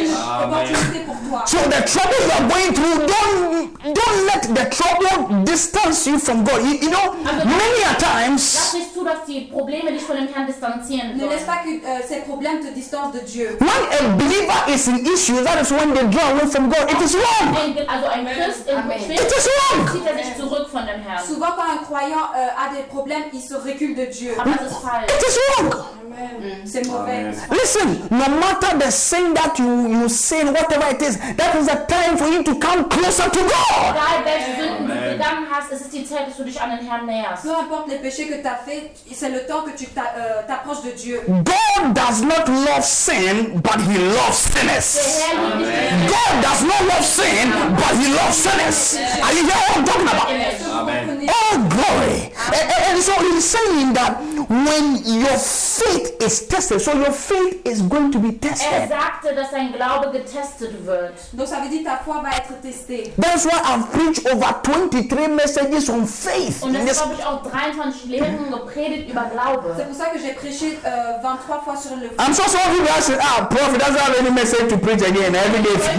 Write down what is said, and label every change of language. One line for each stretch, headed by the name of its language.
English: So the trouble you are going through, don't let the trouble distance you from God. You know, many a times, when a believer is an issue, that is when they draw away from God. It is wrong. It is wrong.
French: Souvent quand un croyant a des problèmes, il se recule de Dieu.
English: It is wrong.
French: C'est mauvais.
English: Listen, no matter the sin that you sin, whatever it is, that is the time for you to come closer to God.
German: Egal welche Sünden du begangen hast, es ist die Zeit, dass du dich an den Herrn näherst.
French: Peu importe les péchés que tu as fait, c'est le temps que tu t'approches de Dieu.
English: God does not love sin, but he loves sinners. God does not love sin, but he loves sinners. Are you hearing what I'm talking about? Oh glory. And so he's saying that when your faith is tested, so your faith is going to be tested.
German: Er sagte, dass dein Glaube getestet wird.
French: Donc ça veut dire ta foi va être testée.
English: That's why I've preached over 23 messages on faith.
German: Und deshalb habe ich auch 23 Lehren gepredigt über Glaube.
French: C'est pour ça que j'ai prêché 23 fois sur le.
English: I'm sure some of you asked, ah, prof, he doesn't have any message to preach again every day.